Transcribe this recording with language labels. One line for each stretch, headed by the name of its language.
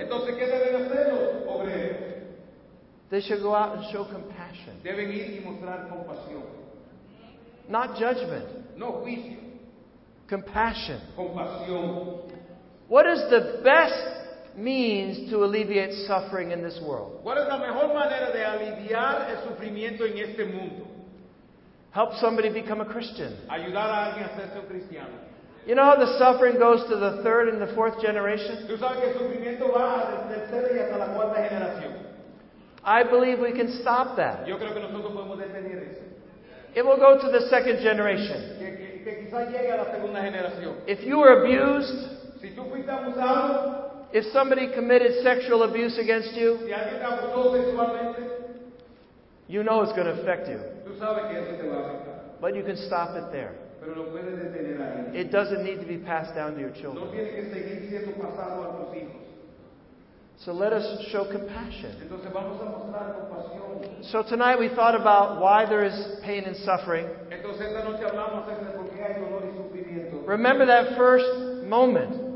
Spanish: Entonces, ¿qué deben hacer los obreros?
English: They should go out and show compassion.
Spanish: Deben ir y mostrar compasión.
English: Not judgment.
Spanish: No juicio.
English: Compassion.
Spanish: Compasión.
English: What is the best means to alleviate suffering in this world?
Spanish: ¿Cuál es la mejor manera de aliviar el sufrimiento en este mundo?
English: Help somebody become a Christian.
Spanish: Ayudar a alguien a hacerse un cristiano.
English: You know how the suffering goes to the third and the fourth generation?
Spanish: ¿Tú sabes que el sufrimiento va desde la tercera y hasta la cuarta generación?
English: I believe we can stop that.
Spanish: Yo creo que nosotros podemos detener eso.
English: It will go to the second generation.
Spanish: Que quizás llegue a la segunda generación.
English: If you were abused,
Spanish: si tú fuiste abusado,
English: if somebody committed sexual abuse against you,
Spanish: si alguien te abusó sexualmente,
English: you know it's going to affect you.
Spanish: Tú sabes que eso te va a afectar.
English: But you can stop it there.
Spanish: Pero lo puedes detener ahí.
English: It doesn't need to be passed down to your children.
Spanish: No tiene que seguir siendo pasado a tus hijos.
English: So let us show compassion.
Spanish: Entonces vamos a mostrar compasión.
English: So tonight we thought about why there is pain and suffering.
Spanish: Entonces esta noche hablamos acerca de por qué hay dolor y sufrimiento.
English: Remember that first moment.